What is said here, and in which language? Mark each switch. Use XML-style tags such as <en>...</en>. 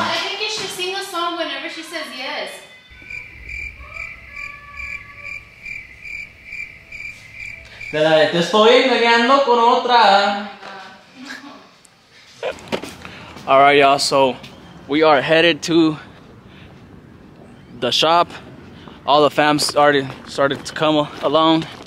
<en>Well, I think you should sing a song whenever she says yes.</en> <es>Te estoy engañando con otra.</es> <en>Alright, y'all, so we are headed to the shop. All the fams already started to come along.</en>